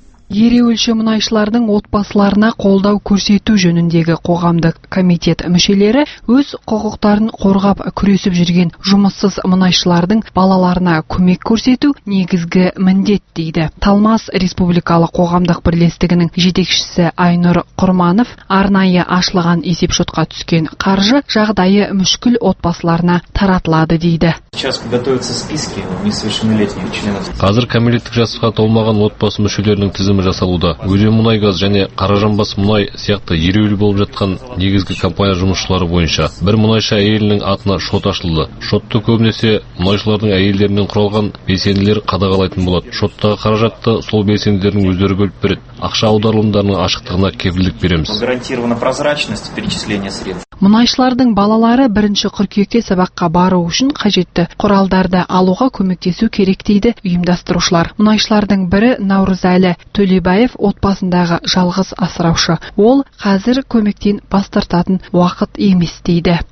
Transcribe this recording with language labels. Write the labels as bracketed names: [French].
[Kazakh] Ереуілші мұнайшылардың отбасыларына қолдау көрсету жөніндегі қоғамдық комитет мүшелері өз құқықтарын қорғап күресіп жүрген жұмыссыз мұнайшылардың балаларына көмек көрсету негізгі міндет дейді. Талмас республикалық қоғамдық бірлестігінің жетекшісі Айнұр Құрманов арнайы ашылған есепшотқа түскен қаржы жағдайы мүшкіл отбасыларына таратылады дейді. [Russian] Сейчас готовятся списки несовершеннолетних членов. [Kazakh] Қазір кәмелеттік жасқа толмаған отбасы мүшелерінің тізімі жасалуда. Өзен мұнай газ және қаражанбас мұнай сияқты ереуіл болып жатқан негізгі компания жұмысшылары бойынша бір мұнайшы әйелінің атына шот ашылды. Шотты көбінесе мұнайшылардың әйелдерінен құралған белсенділер қадағалайтын болады. Шоттағы қаражатты сол белсенділердің өздері бөліп береді. Ақша аударылымдарының ашықтығына кепілдік береміз. [Russian] Гарантирована прозрачность перечисления средств. [Kazakh] Мұнайшылардың балалары 1 қыркүйекте сабаққа бару үшін қажетті құралдарды алуға көмектесу керек дейді ұйымдастырушылар. Мұнайшылардың бірі Наурызәлі Төлебаев отбасындағы жалғыз асыраушы. Ол қазір көмектен бас тартатын уақыт емес дейді.